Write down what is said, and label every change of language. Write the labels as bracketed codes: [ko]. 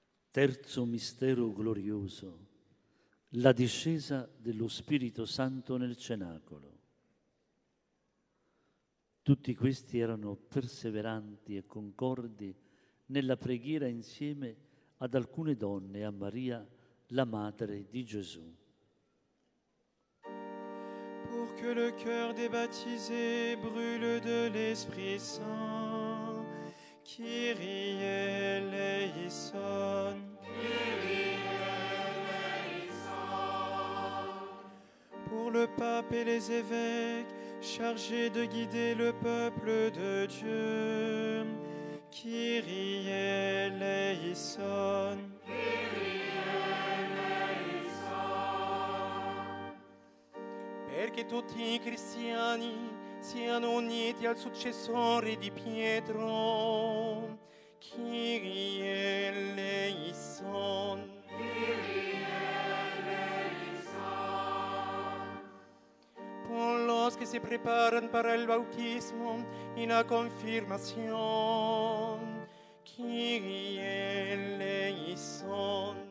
[it] Terzo mistero glorioso, la discesa dello Spirito Santo nel Cenacolo. Tutti questi erano perseveranti e concordi nella preghiera insieme ad alcune donne, a Maria, la madre di Gesù. [fr] Pour que le cœur des baptisés brûle de l'Esprit Saint, Kyrie eleison. Pour le pape et les évêques, chargés de guider le peuple de Dieu, Kyrie eleison. [el] Kyrie eleison. [it] Perché tutti i cristiani siano uniti al successore di Pietro, Kyrie eleison. [el] Kyrie eleison. [es] Pour los que se preparan para el bautismo y la confirmación, Kyrie eleison.